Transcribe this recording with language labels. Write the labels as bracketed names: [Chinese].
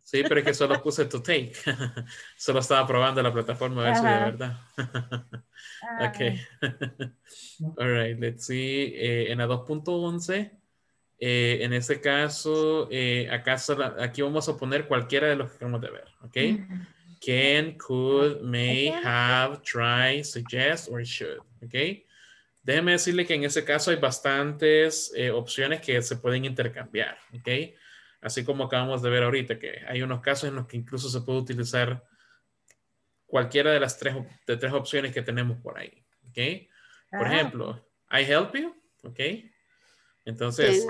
[Spanish] Sí, pero es que solo puse to take. Solo estaba probando la plataforma a ver si de verdad. Ok. [English] All right, let's see. [Spanish] En la 2.11, en este caso, aquí vamos a poner cualquiera de los que acabamos de ver. Ok. [English] Can, could, may, have, try, suggest, or should. Ok. [Spanish] Déjeme decirle que en ese caso hay bastantes opciones que se pueden intercambiar, ¿ok? Así como acabamos de ver ahorita, que hay unos casos en los que incluso se puede utilizar cualquiera de las tres opciones que tenemos por ahí, ¿ok? Por ejemplo, [English] I help you, [Spanish] ¿ok? Entonces,